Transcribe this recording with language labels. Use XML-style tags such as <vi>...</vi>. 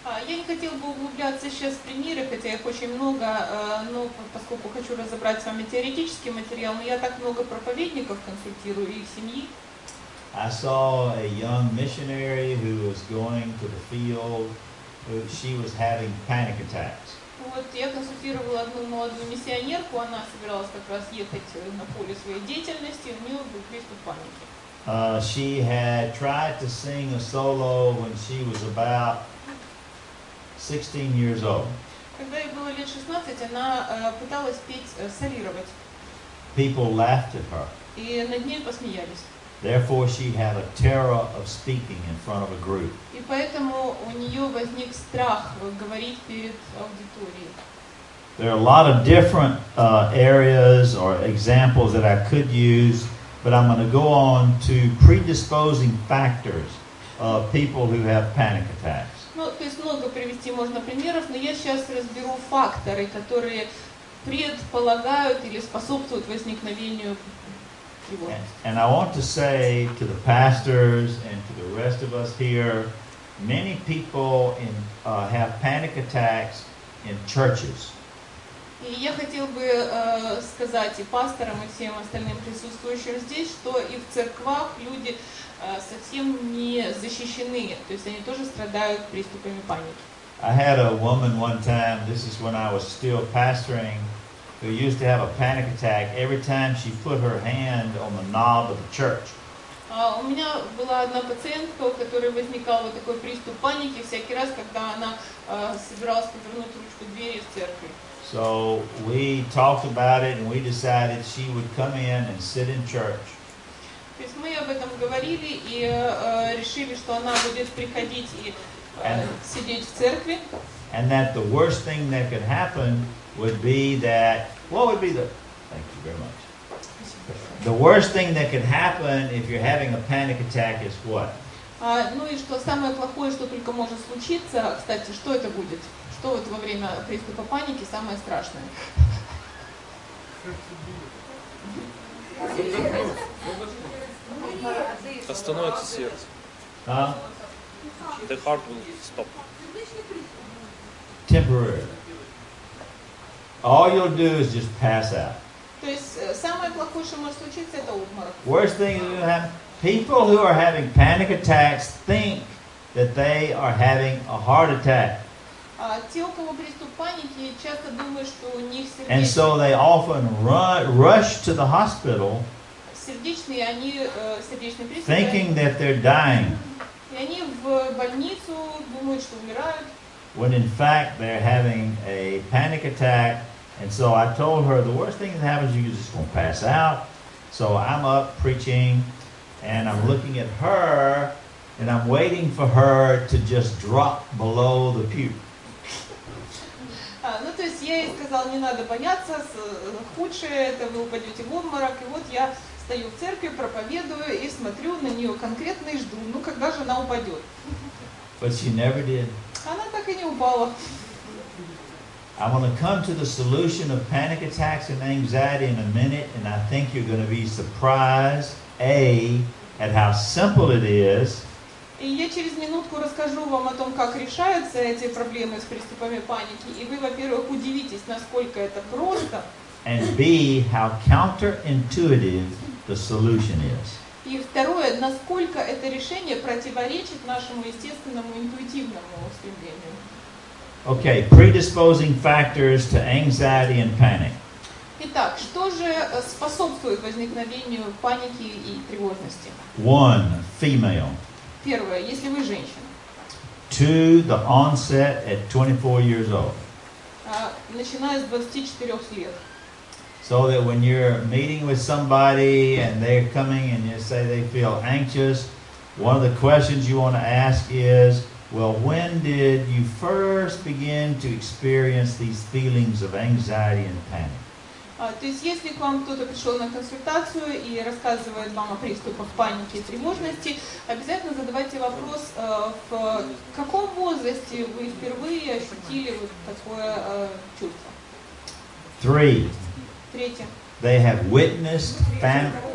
<ru>я не хотел бы углубляться сейчас в примеры, хотя их очень много, но поскольку хочу разобрать с вами теоретический материал, но я так много проповедников консультирую их семьи.</ru> <en>I saw a young missionary who was going to the field. She was having panic attacks.</en> <ru>Вот я консультировала одну молодую миссионерку, она собиралась как раз ехать на поле своей деятельности, у нее был приступ паники.</ru> <en>She had tried to sing a solo when she was about 16 years old.</en> <ru>Когда ей было лет 16, она пыталась петь, солировать.</ru> <en>People laughed at her.</en> <ru>И над ней посмеялись.</ru> <en>Therefore, she had a terror of speaking in front of a group.</en> <ru>И поэтому у нее возник страх говорить перед аудиторией.</ru> <en>There are a lot of different areas or examples that I could use, but I'm going to go on to predisposing factors of people who have panic attacks.</en> <ru>Ну, то есть много привести можно примеров, но я сейчас разберу факторы, которые предполагают или способствуют возникновению.</ru> <en>And I want to say to the pastors and to the rest of us here, many people in have panic attacks in churches.</en> <ru>И я хотел бы сказать и пасторам, и всем остальным присутствующим здесь, что и в церквах люди совсем не защищены, то есть они тоже страдают приступами паники.</ru> <en>I had a woman one time, this is when I was still pastoring, who used to have a panic attack every time she put her hand on the knob of the church.</en> <ru>У меня была одна пациентка, у которой возникал вот такой приступ паники всякий раз, когда она собиралась повернуть ручку двери в церкви.</ru> <en>So we talked about it and we decided she would come in and sit in church.</en> <ru>То есть мы об этом говорили и решили, что она будет приходить и сидеть в церкви.</ru> <en>And that the worst thing that could happen would be that, what would be the, thank you very much. The worst thing that could happen if you're having a panic attack is what?</en> <ru>Ну и что самое плохое, что только может случиться, кстати, что это будет? Что вот во время приступа паники самое страшное? Остановится сердце. А?</ru> <en>The heart will stop. Temporary. All you'll do is just pass out.</en> <ru>То есть самое плохое, что может случиться, это обморок.</ru> <en>Worst thing that you have. People who are having panic attacks think that they are having a heart attack.</en> <ru>Те, у кого приступ паники, часто думают, что у них сердечный.</ru> <en>And so they often rush to the hospital.</en> <ru>Сердечные, они сердечный приступ.</ru> <en>Thinking that they're dying.</en> <ru>И они в больницу думают, что умирают.</ru> <en>When in fact they're having a panic attack, and so I told her the worst thing that happens, you're just going to pass out. So I'm up preaching, and I'm looking at her, and I'm waiting for her to just drop below the pew.</en> <ru>Ну то есть я ей сказал, не надо бояться, худшее это вы упадете в обморок, и вот я стою в церкви, проповедую и смотрю на нее конкретно и жду, ну когда же она упадет.</ru> <en>But she never did.</en> <ru>Она так и не упала.</ru> <en>I'm going to come to the solution of panic attacks and anxiety in a minute, and I think you're going to be surprised, A, at how simple it is.</en> <ru>И я через минутку расскажу вам о том, как решаются эти проблемы с приступами паники, и вы, во-первых, удивитесь, насколько это просто.</ru> <en>And B, how counterintuitive the solution is.</en> <ru>И второе, насколько это решение противоречит нашему естественному интуитивному устремлению.</ru> <en>Okay, predisposing factors to anxiety and panic.</en> <ru>Итак, что же способствует возникновению паники и тревожности?</ru> <en>One, female.</en> <ru>Первое, если вы женщина.</ru> <en>Two, the onset at 24 years old.</en> <ru>Начиная с 24 лет.</ru> <en>So that when you're meeting with somebody and they're coming and you say they feel anxious, one of the questions you want to ask is, well, when did you first begin to experience these feelings of anxiety and panic?</en> <ru>То есть, если к вам кто-то пришел на консультацию и рассказывает вам о приступах паники и тревожности, обязательно задавайте вопрос, в каком возрасте вы впервые ощутили вот такое чувство?</ru> <en>Three.</en> <ru>Третье.</ru> <en>They have witnessed panic.</en>